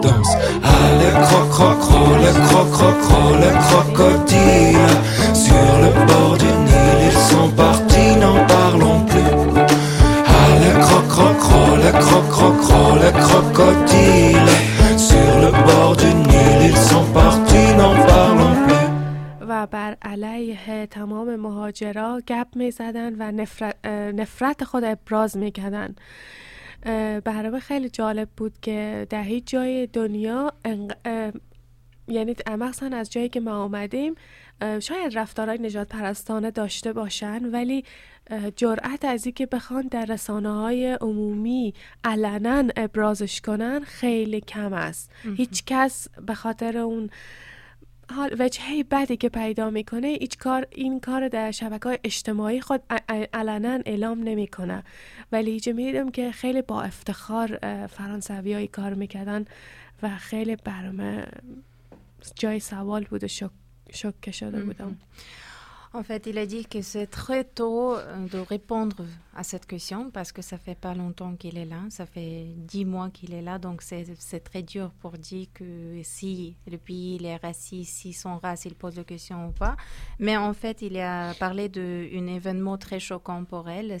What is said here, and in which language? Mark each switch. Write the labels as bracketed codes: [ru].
[fr] Danse, allez, croc-croc-cro, le croc-croc-cro, le crocodile. Sur le bord du Nil, ils sont partis, n'en parlons plus. Allez, croc-croc-cro, le croc-croc-cro, le crocodile. Sur le bord du Nil, ils sont partis, n'en parlons plus. [fa] و بر علیه تمام مهاجرا گپ می زدن و نفرت خود ابراز می کردن. برای من خیلی جالب بود که در هیچ جای دنیا یعنی مخصوصا از جایی که ما آمدیم شاید رفتارهای نجات پرستانه داشته باشن، ولی جرأت از این که بخوان در رسانه‌های عمومی علناً ابرازش کنن خیلی کم است. هیچ کس به خاطر اون حال وجهه بدی که پیدا میکنه این کار در شبکه‌های اجتماعی خود علنا اعلام نمیکنه، ولی اینجا میدیدم که خیلی با افتخار فرانسوی‌ها کار میکردن و خیلی برام جای سوال بود و شوکه شده بودم. [fr] En fait, il a dit que c'est très tôt de répondre à cette question parce que ça fait pas longtemps qu'il est là. Ça fait 10 mois qu'il est là, donc c'est très dur pour dire que si le pays il est raciste, si son race il pose la question ou pas. Mais en fait, il a parlé d'un événement très choquant pour elle.